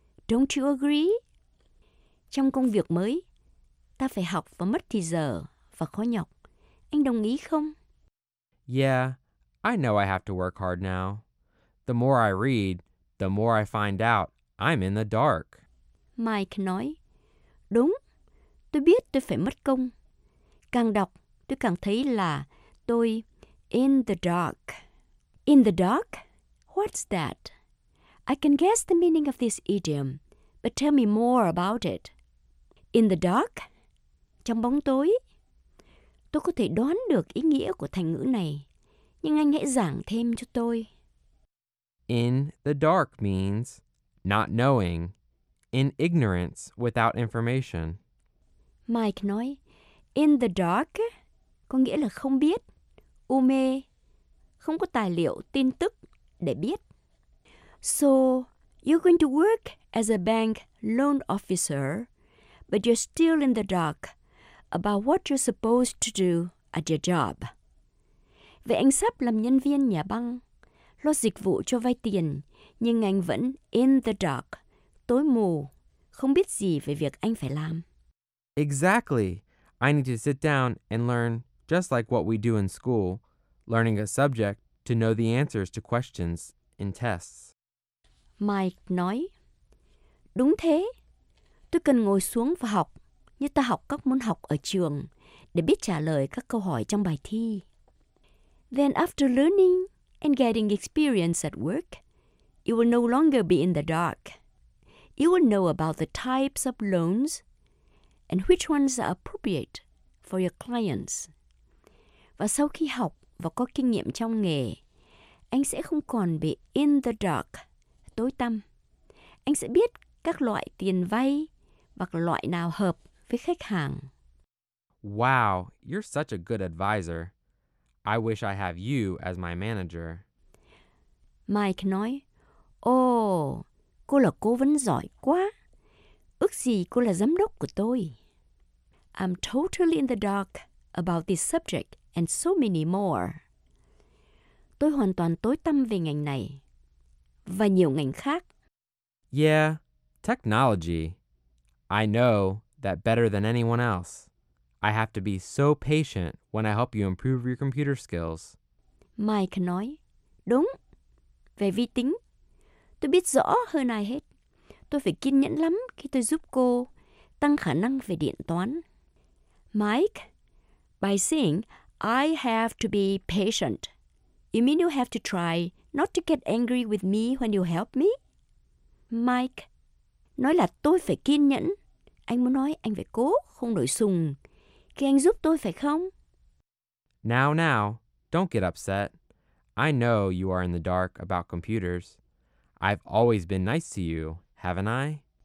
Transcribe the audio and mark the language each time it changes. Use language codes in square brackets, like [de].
[en] Don't you agree? [vi] Trong công việc mới, ta phải học và mất thì giờ và khó nhọc. Anh đồng ý không? [en] Yeah, I know I have to work hard now. The more I read, the more I find out I'm in the dark. [vi] Mike nói, đúng, tôi biết tôi phải mất công. Càng đọc, tôi càng thấy là tôi [en] in the dark. In the dark? What's that? I can guess the meaning of this idiom, but tell me more about it. In the dark? [vi] Trong bóng tối. Tôi có thể đoán được ý nghĩa của thành ngữ này, nhưng anh hãy giảng thêm cho tôi. [en] In the dark means not knowing, in ignorance without information. [vi] Mike nói, [en] in the dark [vi] có nghĩa là không biết, u mê, không có tài liệu, tin tức để biết. [en] So, you're going to work as a bank loan officer, but you're still in the dark about what you're supposed to do at your job. [vi] Vậy anh sắp làm nhân viên nhà băng, lo dịch vụ cho vay tiền, nhưng anh vẫn [en] in the dark, [vi] tối mù, không biết gì về việc anh phải làm. [en] Exactly. I need to sit down and learn, just like what we do in school, learning a subject to know the answers to questions in tests. [vi] Mike nói, đúng thế, tôi cần ngồi xuống và học, như ta học các môn học ở trường, để biết trả lời các câu hỏi trong bài thi. [en] Then after learning and getting experience at work, you will no longer be in the dark. You will know about the types of loans and which ones are appropriate for your clients. [vi] Và sau khi học và có kinh nghiệm trong nghề, anh sẽ không còn bị [en] in the dark, [vi] tối tăm. Anh sẽ biết các loại tiền vay và loại nào hợp với khách hàng. [en] Wow, you're such a good advisor. I wish I have you as my manager. [vi] Mike nói, oh, cô là cố vấn giỏi quá. Ước gì cô là giám đốc của tôi. [en] I'm totally in the dark about this subject and so many more. [vi] Tôi hoàn toàn tối tăm về ngành này và nhiều ngành khác. [en] Yeah, technology. I know that better than anyone else. I have to be so patient when I help you improve your computer skills. [vi] Mike nói, đúng, về vi tính. Tôi biết rõ hơn ai hết. Tôi phải kiên nhẫn lắm khi tôi giúp cô tăng khả năng về điện toán. [en] Mike, by saying I have to be patient, you mean you have to try not to get angry with me when you help me? [vi] Mike, nói là tôi phải kiên nhẫn. Anh muốn nói anh phải cố, không nổi sùng. Khi anh giúp tôi phải không? [en] Now, now, don't get upset. I know you are in the dark about computers. I've always been nice to you, haven't I?